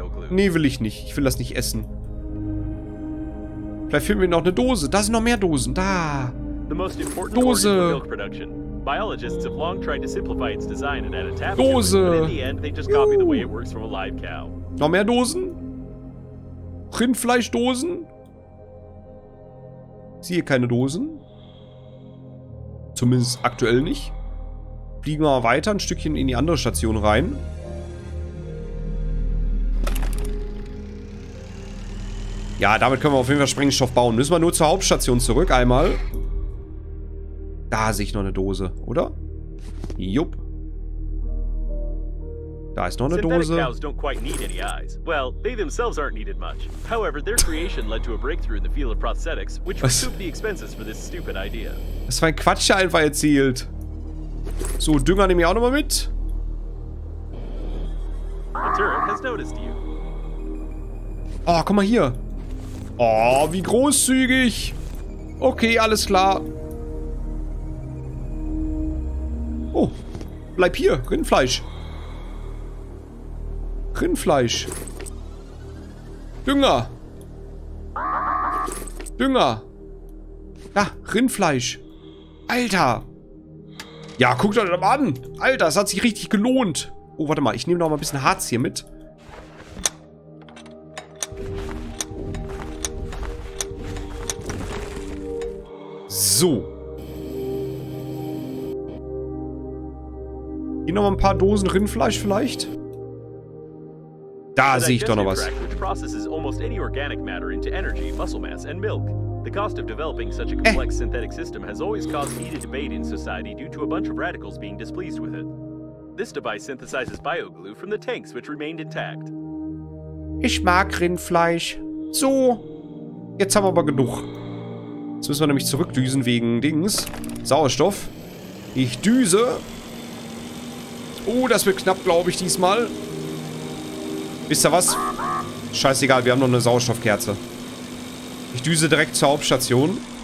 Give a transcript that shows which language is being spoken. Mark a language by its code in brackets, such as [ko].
[de] Nee, will ich nicht. Ich will das nicht essen. Vielleicht finden wir noch eine Dose. Da sind noch mehr Dosen. Da. Dose. [en] Biologists have long tried to simplify its design and add a tap. Dose. In the end, they just copy the way it works from a live cow. [de] Noch mehr Dosen? Rindfleischdosen? Ich sehe keine Dosen. Zumindest aktuell nicht. Fliegen wir mal weiter ein Stückchen in die andere Station rein. Ja, damit können wir auf jeden Fall Sprengstoff bauen. Müssen wir nur zur Hauptstation zurück einmal. Da sehe ich noch eine Dose, oder? Jupp. Da ist noch eine Dose. [en] Synthetic cows don't quite need any eyes. Well, they themselves aren't needed much. However, their creation led to a breakthrough in the field of prosthetics, which recouped the expenses for this stupid idea. [de] Das war ein Quatsch, der einfach erzählt. So, Dünger nehme ich auch nochmal mit. [en] The turret has noticed you. [de] Oh, guck mal hier. Oh, wie großzügig. Okay, alles klar. Oh, bleib hier, Rindfleisch. Rindfleisch. Dünger. Dünger. Ja, Rindfleisch. Alter. Ja, guckt euch das mal an. Alter, es hat sich richtig gelohnt. Oh, warte mal. Ich nehme noch mal ein bisschen Harz hier mit. So. Hier noch mal ein paar Dosen Rindfleisch vielleicht. Da sehe ich doch noch was. [en] Which processes almost any organic matter into energy, muscle mass and milk. The cost of developing such a complex synthetic system has always caused heated debate in society due to a bunch of radicals being displeased with it. This device synthesizes bioglue from the tanks which remained intact. [de] Ich mag Rindfleisch. So. Jetzt haben wir aber genug. Jetzt müssen wir nämlich zurückdüsen wegen Dings. Sauerstoff. Ich düse. Oh, das wird knapp, glaube ich, diesmal. Wisst ihr was? Scheißegal, wir haben noch eine Sauerstoffkerze. Ich düse direkt zur Hauptstation.